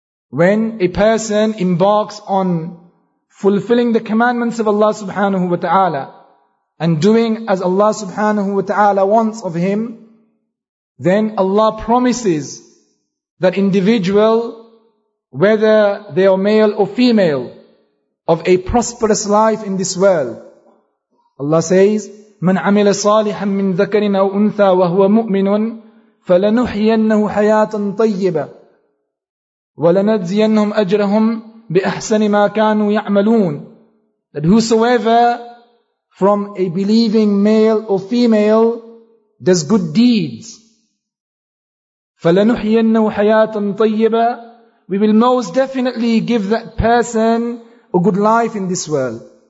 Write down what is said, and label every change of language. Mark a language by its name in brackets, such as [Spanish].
[English] When a person embarks on fulfilling the commandments of Allah subhanahu wa ta'ala and doing as Allah subhanahu wa ta'ala wants of him, then Allah promises that individual, whether they are male or female, of a prosperous life in this world. Allah says, [Arabic] مَنْ عَمِلَ صَالِحًا مِّنْ ذَكَرٍ أَوْ أُنْثَى وَهُوَ مُؤْمِنٌ فَلَنُحْيَنَّهُ حَيَاةً طَيِّبَةً وَلَنَجْزِيَنَّهُمْ أَجْرَهُمْ بِأَحْسَنِ مَا كَانُوا يَعْمَلُونَ. [English] That whosoever from a believing male or female does good deeds, [Arabic] فَلَنُحْيَنَّهُ حَيَاةً طَيِّبَةً, [English] we will most definitely give that person a good life in this world.